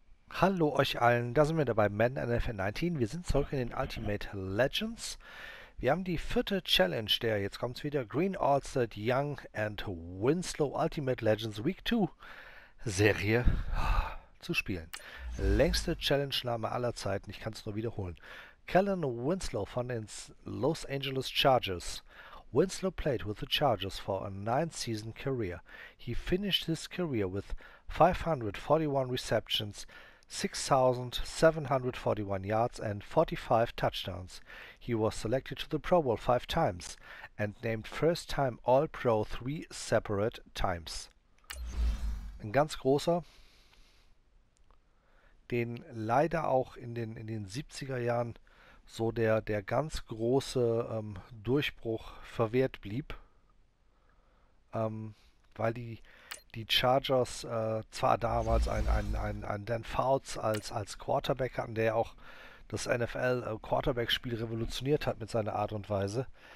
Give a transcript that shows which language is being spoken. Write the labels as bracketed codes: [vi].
[de] Hallo euch allen, da sind wir dabei, Madden NFL 19. Wir sind zurück in den Ultimate Legends. Wir haben die vierte Challenge der, jetzt kommt's wieder, Green Allstate Young and Winslow Ultimate Legends Week 2 Serie zu spielen. Längste Challenge-Name aller Zeiten, ich kann es nur wiederholen. Kellen Winslow von den Los Angeles Chargers. [en] Winslow played with the Chargers for a nine-season career. He finished his career with 541 receptions, 6741 yards and 45 touchdowns. He was selected to the Pro Bowl 5 times and named first time All Pro 3 separate times. [de] Ein ganz großer, den leider auch in den 70er Jahren so der ganz große Durchbruch verwehrt blieb, weil die Chargers zwar damals einen Dan Fouts als Quarterback hatten, der ja auch das NFL-Quarterback-Spiel revolutioniert hat mit seiner Art und Weise,